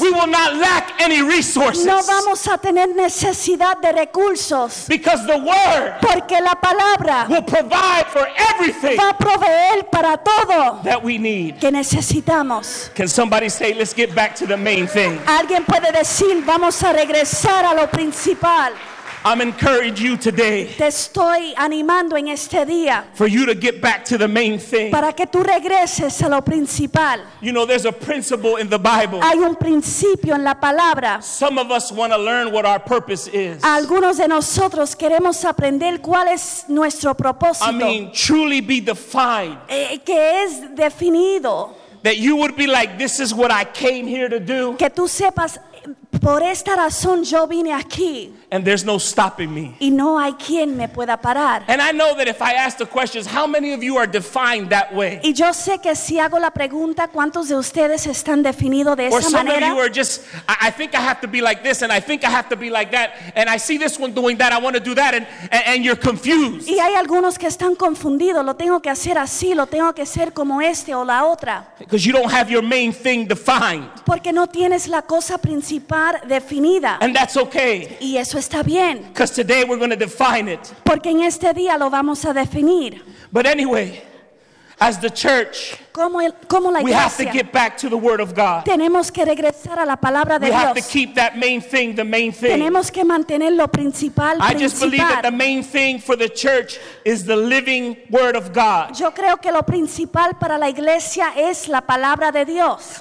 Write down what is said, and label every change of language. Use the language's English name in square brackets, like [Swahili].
[English] We will not lack any resources. resources. [Spanish] No vamos a tener necesidad de recursos. [English] Because the word, [Spanish] porque la palabra, [English] will provide for everything, [Spanish] va a proveer para todo, [English] that we need, [Spanish] que necesitamos. [English] Can somebody say, let's get back to the main thing? [Spanish] Alguien puede decir, vamos a regresar a lo principal. [English] I'm encouraging you today. [Spanish] Te estoy animando en este día. [English] For you to get back to the main thing. [Spanish] Para que tú regreses a lo principal. [English] You know, there's a principle in the Bible. [Spanish] Hay un principio en la palabra. [English] Some of us want to learn what our purpose is. [Spanish] Algunos de nosotros queremos aprender cuál es nuestro propósito. [English] I mean, truly be defined. [Spanish] Que es definido. [English] That you would be like, this is what I came here to do. [Spanish] Que tú sepas, por esta razón yo vine aquí. [English] And there's no stopping me. [Spanish] Y no hay quien me pueda parar. [English] And I know that if I ask the questions, how many of you are defined that way? [Spanish] Y yo sé que si hago la pregunta, ¿cuántos de ustedes están definidos de esa manera? [English] Or some of you are just, I think I have to be like this, and I think I have to be like that, and I see this one doing that, I want to do that, and you're confused. [Spanish] Y hay algunos que están confundidos. Lo tengo que hacer así, lo tengo que ser como este o la otra. [English] Because you don't have your main thing defined. [Spanish] Porque no tienes la cosa principal definida. [English] And that's okay. [Spanish] Y eso está bien. [English] Because today we're going to define it. [Spanish] Porque en este día lo vamos a definir. [English] But anyway, as the church, [Spanish] como la iglesia, [English] we have to get back to the word of God. [Spanish] Tenemos que regresar a la palabra de [English] We have to keep that main thing the main thing. [Spanish] Tenemos que mantener lo principal, principal. [English] I just believe that the main thing for the church is the living word of God. [Spanish] Yo creo que lo principal para la iglesia es la palabra de Dios.